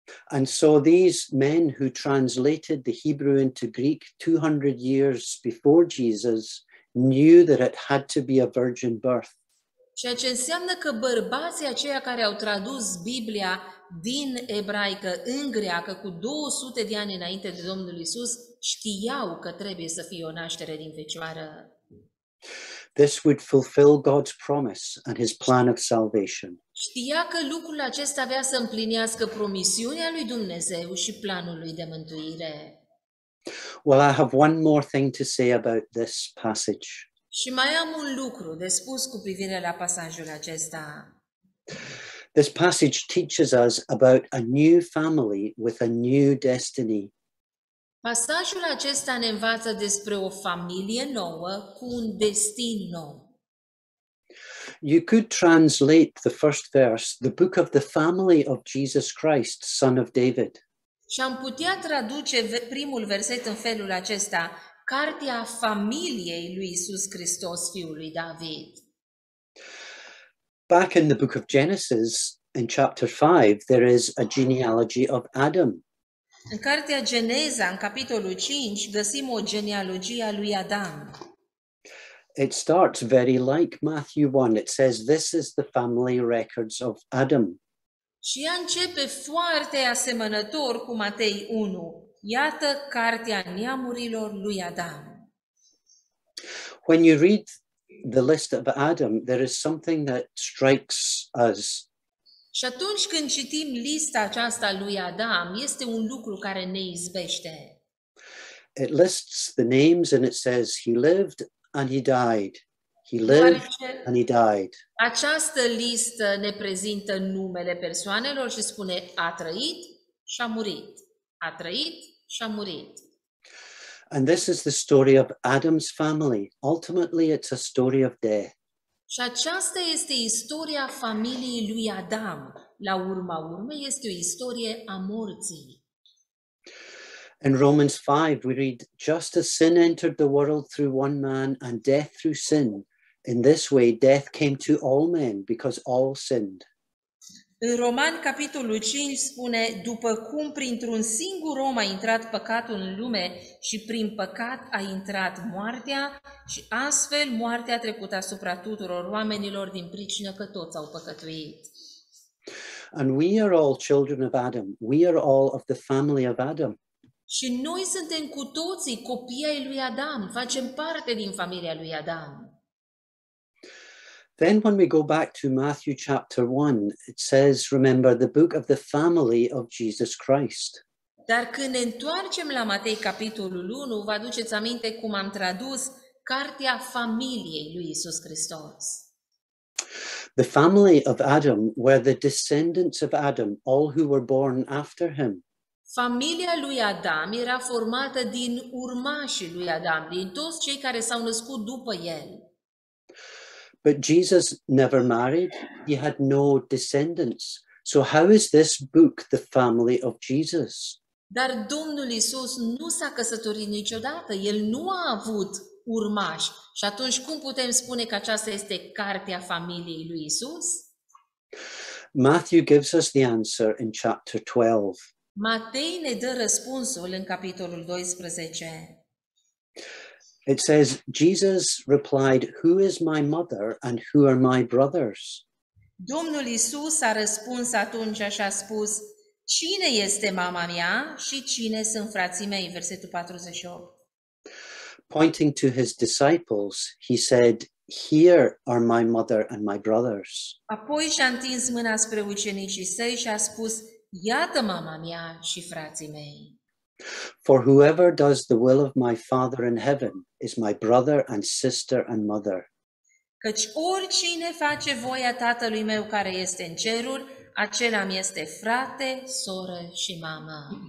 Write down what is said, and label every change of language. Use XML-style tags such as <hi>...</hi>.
<en>And so these men who translated the Hebrew into Greek 200 years before Jesus knew that it had to be a virgin birth.</en> <ro>Ceea ce înseamnă că bărbații aceia care au tradus Biblia din ebraică în greacă cu 200 de ani înainte de Domnul Iisus știau că trebuie să fie o naștere din fecioară.</ro> <en>This would fulfill God's promise and his plan of salvation.</en> <ro>Știa că lucrul acesta avea să împlinească promisiunea lui Dumnezeu și planul lui de mântuire.</ro> <en>Well, I have one more thing to say about this passage.</en> <ro>Și mai am un lucru de spus cu privire la pasajul acesta.</ro> <en>This passage teaches us about a new family with a new destiny.</en> <ro>Pasajul acesta ne învață despre o familie nouă cu un destin nou.</ro> <en>You could translate the first verse, the book of the family of Jesus Christ, son of David.</en> <ro>Și am putea traduce primul verset în felul acesta, cartea familiei lui Iisus Hristos, fiul lui David.</ro> <en>Back in the book of Genesis, in chapter 5, there is a genealogy of Adam.</en> <ro>În cartea Geneza, în capitolul 5, găsim o genealogie a lui Adam.</ro> <en>It starts very like Matthew 1. It says, this is the family records of Adam.</en> <ro>Și ea începe foarte asemănător cu Matei 1. Iată cartea neamurilor lui Adam.</ro> <en>When you read the list of Adam, there is something that strikes us.</en> <ro>Și atunci când citim lista aceasta lui Adam, este un lucru care ne izbește.</ro> <en>It lists the names and it says he lived and he died. He lived and he died.</en> <ro>Această listă ne prezintă numele persoanelor și spune a trăit și a murit. A trăit și a murit.</ro> <en>And this is the story of Adam's family. Ultimately, it's a story of death.</en> <ro>Și aceasta este istoria familiei lui Adam. La urma urmei este o istorie a morții.</ro> <en>In Romans 5 we read, just as sin entered the world through one man and death through sin, in this way death came to all men because all sinned.</en> <ro>În Roman capitolul 5 spune, după cum printr-un singur om a intrat păcatul în lume și prin păcat a intrat moartea, și astfel moartea a trecut asupra tuturor oamenilor din pricină că toți au păcătuit.</ro> <en>And we are all children of Adam. We are all of the family of Adam.</en> <ro>Și noi suntem cu toții copii ai lui Adam, facem parte din familia lui Adam.</ro> <en>Then when we go back to Matthew chapter 1, it says, remember, the book of the family of Jesus Christ.</en> <ro>Dar când ne întoarcem la Matei capitolul 1, vă aduceți aminte cum am tradus cartea familiei lui Iisus Hristos.</ro> <en>The family of Adam were the descendants of Adam, all who were born after him.</en> <ro>Familia lui Adam era formată din urmașii lui Adam, din toți cei care s-au născut după el.</ro> <en>But Jesus never married. He had no descendants. So how is this book the family of Jesus?</en> <ro>Dar Domnul Iisus nu s-a căsătorit niciodată. El nu a avut urmași. Și atunci cum putem spune că aceasta este cartea familiei lui Iisus?</ro> <en>Matthew gives us the answer in chapter 12.</en> <ro>Matei ne dă răspunsul în capitolul 12.</ro> <en>It says, Jesus replied, who is my mother and who are my brothers?</en> <ro>Domnul Iisus a răspuns atunci și a spus, cine este mama mea și cine sunt frații mei? Versetul 48.</ro> <en>Pointing to his disciples, he said, here are my mother and my brothers.</en> <ro>Apoi și-a întins mâna spre ucenicii săi și a spus, iată mama mea și frații mei.</ro> <en>For whoever does the will of my Father in heaven is my brother and sister and mother.</en> <ro>Căci oricine face voia Tatălui meu care este în ceruri, acela mi este frate, soră și mamă.</ro>